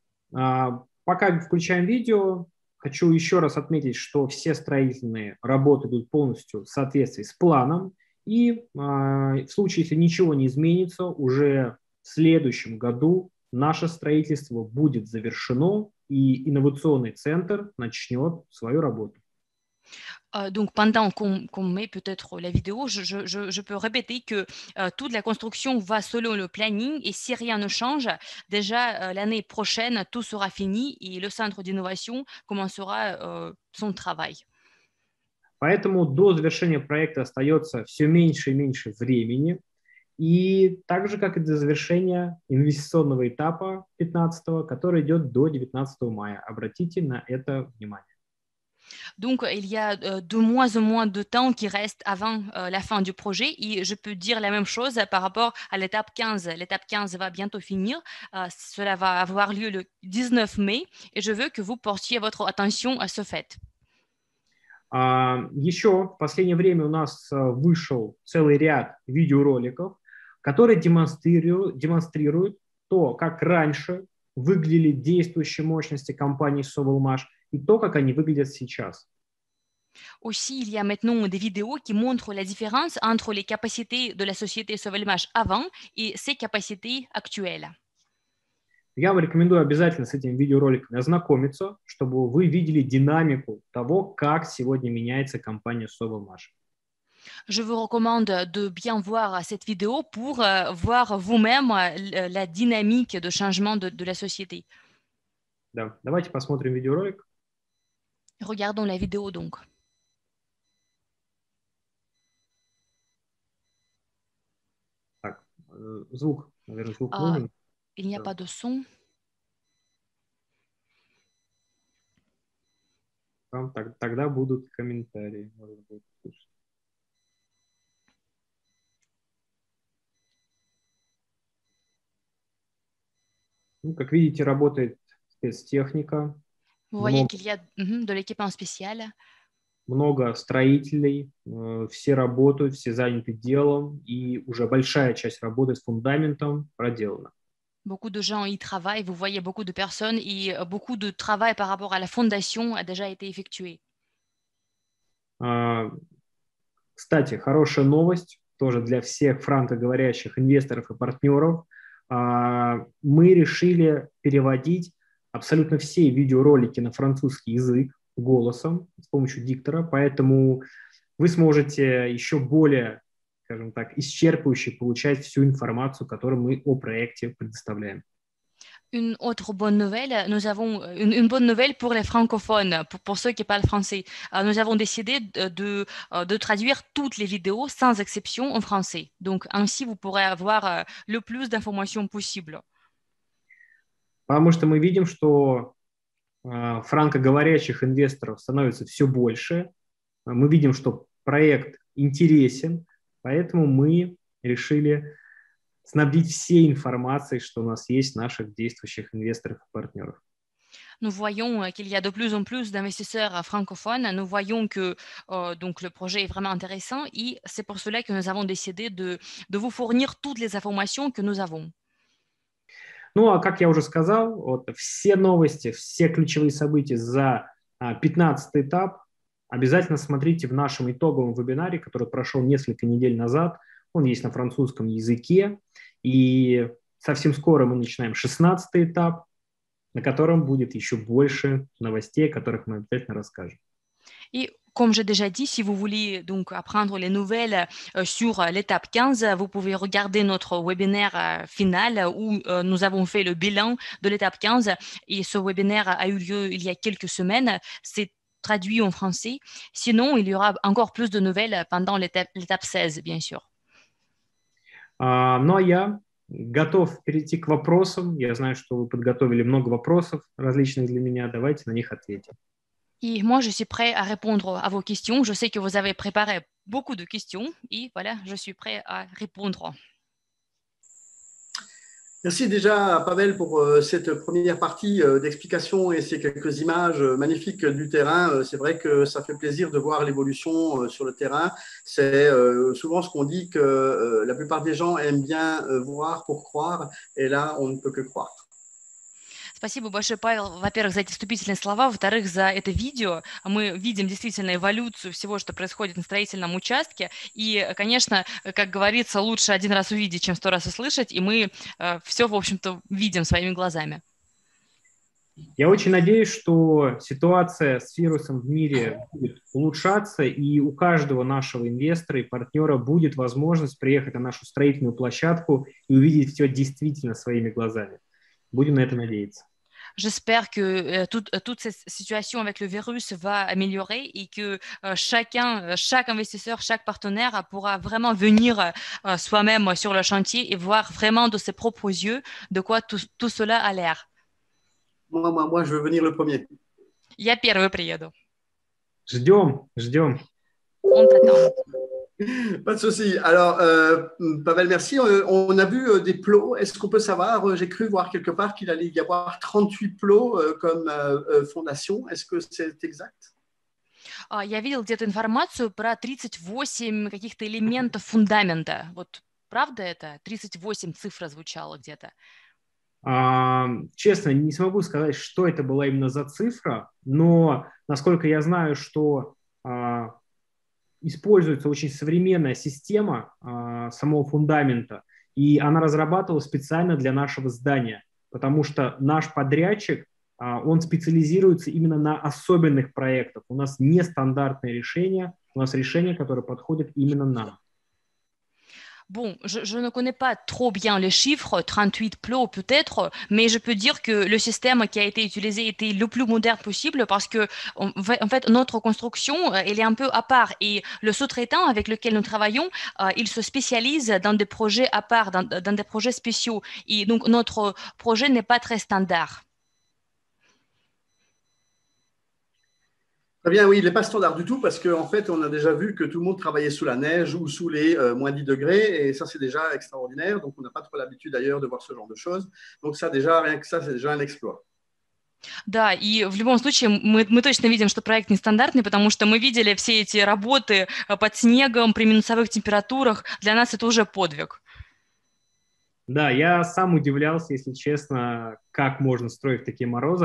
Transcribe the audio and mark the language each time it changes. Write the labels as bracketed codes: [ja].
[ru] Пока включаем видео, хочу еще раз отметить, что все строительные работы будут полностью в соответствии с планом, и в случае, если ничего не изменится, уже в следующем году наше строительство будет завершено, и инновационный центр начнет свою работу. [fr] Donc pendant qu'on met peut-être la vidéo, je peux répéter que toute la construction va selon le planning et si rien ne change, déjà l'année prochaine, tout sera fini et le centre d'innovation commencera son travail. [ru] Поэтому до завершения проекта остается все меньше и меньше времени. И так же, как и до завершения инвестиционного этапа 15-го, который идет до 19 мая. Обратите на это внимание. [fr] Donc, il y a de moins en moins de temps qui reste avant la fin du projet. И je peux dire la même chose par rapport à l'étape 15. L'étape 15 va bientôt finir. Cela va avoir lieu le 19 mai. Et je veux que vous portiez votre attention à ce fait. [ru] Еще в последнее время у нас вышел целый ряд видеороликов, которые демонстрируют то, как раньше выглядели действующие мощности компании Sovelmash и то, как они выглядят сейчас. [fr] Aussi, il y a maintenant des vidéos qui montrent la différence entre les capacités de la société Sauvelmash avant et ses capacités actuelles. [ru] Я вам рекомендую обязательно с этим видеороликом ознакомиться, чтобы вы видели динамику того, как сегодня меняется компания Sauvelmash. [fr] Je vous recommande de bien voir cette vidéo pour voir vous-même la dynamique de changement de la société. [ru] Да, давайте посмотрим видеоролик. [fr] Regardons la vidéo donc. [ru] Так, звук, наверное, звук нужен. [fr] Il n'y a pas de son. [ru] Там так, тогда будут комментарии. Ну, как видите, работает спецтехника. [fr] Vous voyez qu'il y a de l'équipement spécial. [ru] Много строителей, все работают, все заняты делом, и уже большая часть работы с фундаментом проделана. [fr] Beaucoup de gens y travaillent, vous voyez beaucoup de personnes et beaucoup de travail par rapport à la fondation a déjà été effectué. [ru] Кстати, хорошая новость, тоже для всех франкоговорящих инвесторов и партнеров. Мы решили переводить абсолютно все видеоролики на французский язык голосом с помощью диктора, поэтому вы сможете еще более, скажем так, исчерпывающе получать всю информацию, которую мы о проекте предоставляем. [fr] Une autre bonne nouvelle, nous avons une bonne nouvelle pour les francophones, pour ceux qui parlent français. Nous avons décidé de traduire toutes les vidéos sans exception en français. Donc ainsi vous pourrez avoir le plus d'informations possible. [ru] Потому что мы видим, что франкоговорящих инвесторов становится все больше. Мы видим, что проект интересен. Поэтому мы решили снабдить все информацией, что у нас есть, наших действующих инвесторов и партнеров. [fr] Nous voyons qu'il y a de plus en plus d'investisseurs francophones. Nous voyons que donc le projet est vraiment intéressant et c'est pour cela que nous avons décidé de vous fournir toutes les informations que nous avons. [ru] Ну, а как я уже сказал, вот все новости, все ключевые события за 15-й этап обязательно смотрите в нашем итоговом вебинаре, который прошел несколько недель назад. Он есть на французском языке. И совсем скоро мы начинаем 16-й этап, на котором будет еще больше новостей, о которых мы обязательно расскажем. И, как я уже сказал, если вы хотите [fr] apprendre les nouvelles sur l'étape 15, [ru] вы можете [fr] regarder notre webinaire final, où nous avons fait le bilan de l'étape 15. И ce webinaire a eu lieu il y a quelques semaines. C'est traduit en français. Sinon, il y aura encore plus de nouvelles pendant l'étape 16, bien sûr. [ru] Ну, а я готов перейти к вопросам. Я знаю, что вы подготовили много вопросов различных для меня. Давайте на них ответим. [fr] И moi, je suis prêt à répondre à vos questions. Je sais que vous avez préparé beaucoup de questions. И voilà, je suis prêt à répondre. Merci déjà, Pavel, pour cette première partie d'explication et ces quelques images magnifiques du terrain. C'est vrai que ça fait plaisir de voir l'évolution sur le terrain. C'est souvent ce qu'on dit que la plupart des gens aiment bien voir pour croire, et là, on ne peut que croire. [ru] Спасибо большое, Павел, во-первых, за эти вступительные слова, во-вторых, за это видео. Мы видим действительно эволюцию всего, что происходит на строительном участке. И, конечно, как говорится, лучше один раз увидеть, чем сто раз услышать. И мы все, в общем-то, видим своими глазами. Я очень надеюсь, что ситуация с вирусом в мире будет улучшаться, и у каждого нашего инвестора и партнера будет возможность приехать на нашу строительную площадку и увидеть все действительно своими глазами. Будем на это надеяться. [fr] J'espère que toute cette situation avec le virus va améliorer et que chaque investisseur, chaque partenaire pourra vraiment venir soi-même sur le chantier et voir vraiment de ses propres yeux de quoi tout cela a l'air. Moi, je veux venir le premier. [ru] Я первый приеду. Ждем. [fr] On t'attend. Pas de souci. Alors, Pavel, merci. On a vu des plots. Est-ce qu'on peut savoir, j'ai cru voir quelque part qu'il allait y avoir 38 plots comme fondation. Est-ce que c'est exact? [ru] Я видел где-то информацию про 38 каких-то элементов фундамента. Вот правда это? 38 цифра звучала где-то. Честно, не смогу сказать, что это была именно за цифра, но насколько я знаю, что используется очень современная система самого фундамента, и она разрабатывалась специально для нашего здания, потому что наш подрядчик, он специализируется именно на особенных проектах. У нас нестандартные решения, у нас решения, которые подходят именно нам. [fr] Bon, je ne connais pas trop bien les chiffres, 38 plots peut-être, mais je peux dire que le système qui a été utilisé était le plus moderne possible parce que, en fait, notre construction, elle est un peu à part. Et le sous-traitant avec lequel nous travaillons, il se spécialise dans des projets à part, dans des projets spéciaux. Et donc, notre projet n'est pas très standard. Très bien, oui, il n'est pas standard du tout parce qu'en fait, on a déjà vu que tout le monde travaillait sous la neige ou sous les moins 10 degrés et ça, c'est déjà extraordinaire. Donc, on n'a pas trop l'habitude d'ailleurs de voir ce genre de choses. Donc, ça, déjà, rien que ça, c'est déjà un exploit. [ru] Да, и в любом случае мы точно видим, что проект нестандартный, потому что мы видели все эти работы под снегом, при минусовых температурах. Для нас это уже подвиг. Да, я сам удивлялся, если честно, как можно строить в такие морозы.